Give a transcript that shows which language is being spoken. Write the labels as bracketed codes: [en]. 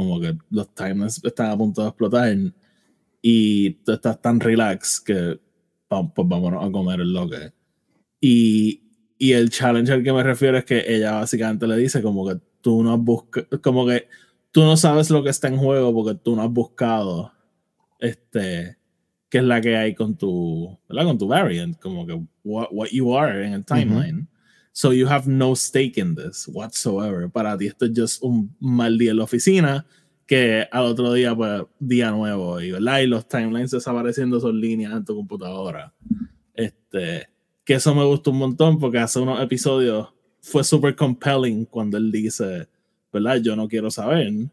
[es] Como que los timers están a punto de explotar, y tú estás tan relax que, pues vámonos a comer el loque. Y el challenge al que me refiero es que ella básicamente le dice como que tú no has buscado, como que tú no sabes lo que está en juego porque tú no has buscado qué es la que hay con tu, ¿verdad? Con tu [en] variant, [es] como que [en] what you are in a timeline. Mm-hmm. So you have no stake in this whatsoever. [es] Para ti esto es [en] just [es] un mal día en la oficina, que al otro día, pues, día nuevo, y, ¿verdad? Y los timelines desapareciendo son líneas en tu computadora. Que eso me gustó un montón, porque hace unos episodios fue súper compelling cuando él dice, ¿verdad? Yo no quiero saber.